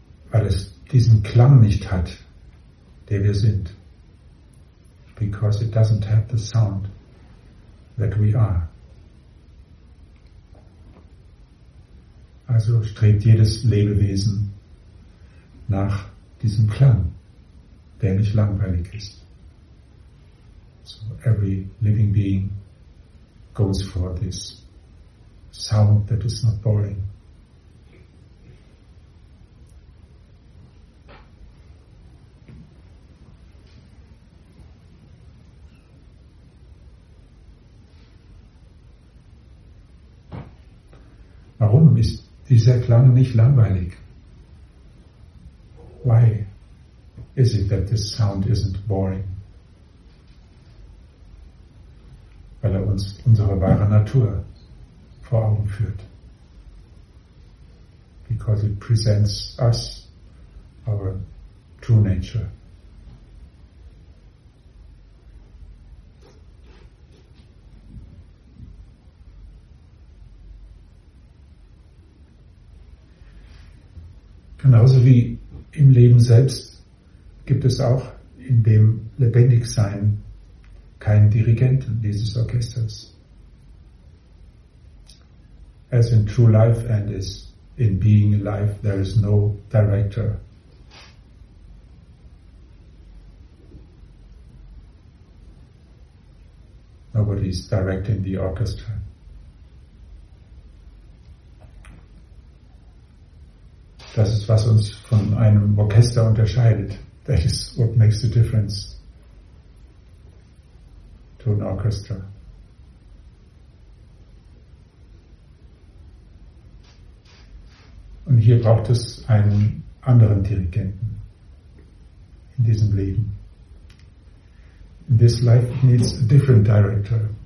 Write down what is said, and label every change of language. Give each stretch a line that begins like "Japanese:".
German: Weil es diesen Klang nicht hat, der wir sind.
English: Because it doesn't have the sound that we are.
German: Also strebt jedes Lebewesen nach diesem Klang, der nicht langweilig ist.
English: So every living being goes for this sound that is not boring.
German: Warum ist dieser Klang nicht langweilig?
English: Why is it that this sound isn't boring?
German: Weil er uns unsere wahre Natur vor Augen führt.
English: Because it presents us our true nature.
German: Genauso wie im Leben selbst gibt es auch in dem Lebendigsein keinen Dirigenten dieses Orchesters.
English: As in true life and as in being alive, there is no director. Nobody is directing the orchestra.
German: Das ist, was uns von einem Orchester unterscheidet.
English: That is what makes the difference to an orchestra.
German: Und hier braucht es einen anderen Dirigenten in diesem Leben.
English: In this life it needs a different director.